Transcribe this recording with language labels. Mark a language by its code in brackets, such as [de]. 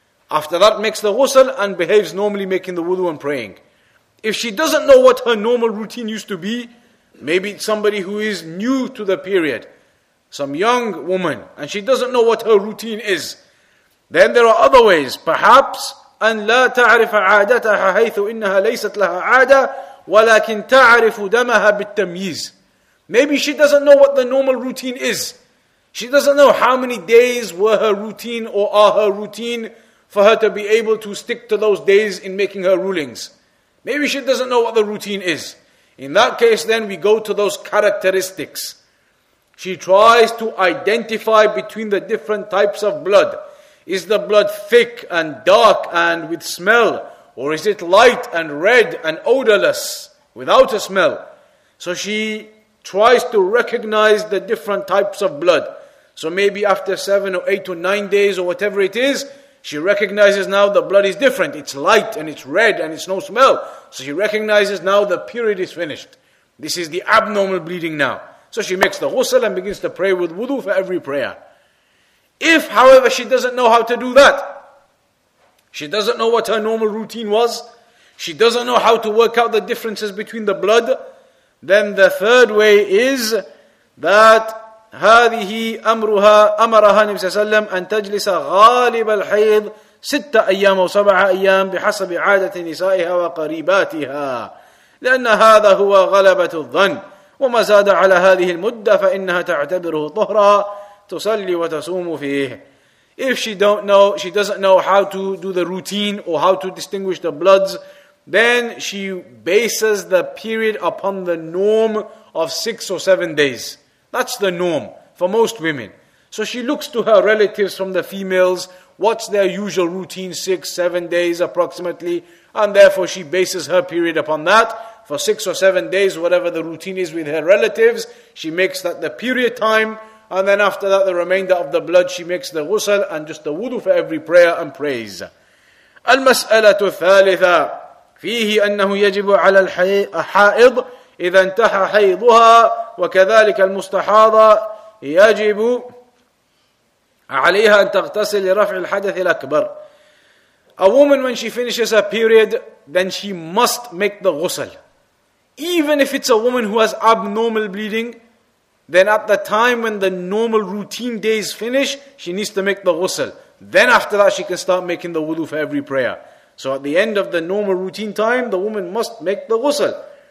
[en] After that, makes the ghusl and behaves normally, making the wudu and praying. If she doesn't know what her normal routine used to be, maybe it's somebody who is new to the period, some young woman, and she doesn't know what her routine is, then there are other ways. Perhaps, [ar] أن لا تعرف عادتها حيث إنها ليست لها عادة ولكن تعرف دمها بالتمييز. [en] Maybe she doesn't know what the normal routine is. She doesn't know how many days were her routine or are her routine for her to be able to stick to those days in making her rulings. Maybe she doesn't know what the routine is. In that case, then we go to those characteristics. She tries to identify between the different types of blood. Is the blood thick and dark and with smell? Or is it light and red and odorless without a smell? So she tries to recognize the different types of blood. So maybe after 7 or 8 or 9 days or whatever it is, she recognizes now the blood is different. It's light and it's red and it's no smell. So she recognizes now the period is finished. This is the abnormal bleeding now. So she makes the ghusl and begins to pray with wudu for every prayer. If, however, she doesn't know how to do that, she doesn't know what her normal routine was, she doesn't know how to work out the differences between the blood, then the third way is that [ar] هذه أمرها أمرها النبي صلى الله عليه وسلم أن تجلس غالب الحيض ستة أيام أو سبعة أيام بحسب عادة نسائها وقريباتها لأن هذا هو غلبة الظن وما زاد على هذه المدة فإنها تعتبره طهرا تصلي وتصوم فيه. [en] If she don't know, she doesn't know how to do the routine or how to distinguish the bloods, then she bases the period upon the norm of 6 or 7 days. That's the norm for most women. So she looks to her relatives from the females, what's their usual routine, 6, 7 days approximately, and therefore she bases her period upon that. For 6 or 7 days, whatever the routine is with her relatives, she makes that the period time, and then after that, the remainder of the blood, she makes the ghusl and just the wudu for every prayer and praise. [ar] المسألة الثالثة فيه أنه يجب على الحائض إذا انتهى حيضها وكذلك المستحاضة يجب عليها أن تغتسل لرفع الحدث الأكبر. [en] A woman, when she finishes her period, then she must make the ghusl. Even if it's a woman who has abnormal bleeding, then at the time when the normal routine days finish, she needs to make the ghusl. Then after that, she can start making the wudu for every prayer. So at the end of the normal routine time, the woman must make the ghusl.